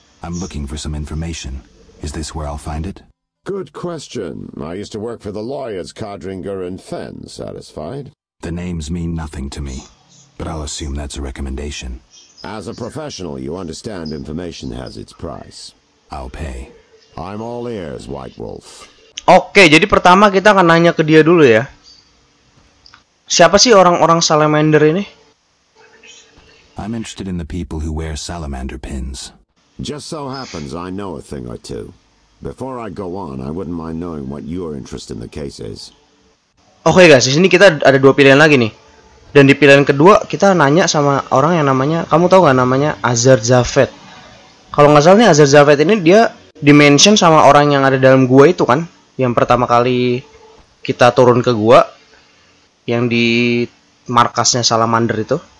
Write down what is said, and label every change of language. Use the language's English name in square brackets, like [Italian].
[English] I'm looking for some information. Is this where I'll find it? Good question. I used to work for the lawyers Codringer and Fenn. Satisfied? The names mean nothing to me, but I'll assume that's a recommendation. As a professional, you understand information has its price. I'll pay. I'm all ears, White Wolf. [Indonesian] Oke, jadi pertama kita akan nanya ke dia dulu ya. Siapa sih orang-orang Salamander ini? [English] I'm interested in the people who wear Salamander pins. Just so happens I know a thing or two. Before I go on, I wouldn't mind knowing what your interest in the case is. [Indonesian] Oke guys, di sini kita ada dua pilihan lagi nih. Dan di pilihan kedua kita nanya sama orang yang namanya, kamu tahu nggak namanya Azar Zafet? Kalau nggak salah nih Azar Zafet ini dia dimention sama orang yang ada dalam gua itu kan, yang pertama kali kita turun ke gua, yang di markasnya Salamander itu.